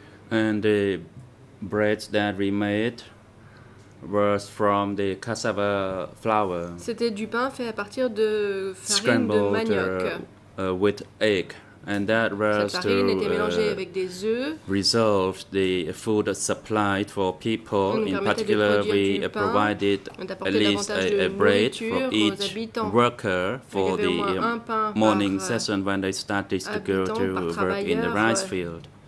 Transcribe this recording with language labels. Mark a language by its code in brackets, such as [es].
[en] And the breads that we made were from the cassava flour. [fr] C'était du pain fait à partir de farine [en] scrambled [fr] de manioc. [en] With egg. And that was to resolve the food supplied for people. [fr] Nous [en] in particular, we provided at least a bread for each worker for the morning session when they started to go to work in the rice field.